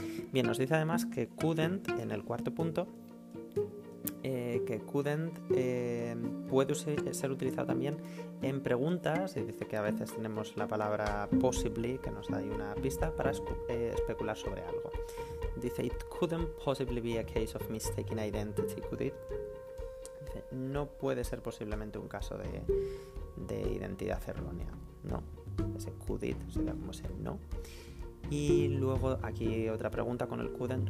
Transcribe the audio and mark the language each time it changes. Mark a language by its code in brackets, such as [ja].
[es] Bien, nos dice además que couldn't, en el cuarto punto, que couldn't puede ser utilizado también en preguntas, y dice que a veces tenemos la palabra possibly, que nos da ahí una pista para especular sobre algo. [en] Dice, it couldn't possibly be a case of mistaken identity, could it? [es] Dice, no puede ser posiblemente un caso de identidad errónea. No. Ese [en] could it [es] sería como ese no. Y luego aquí otra pregunta con el couldn't.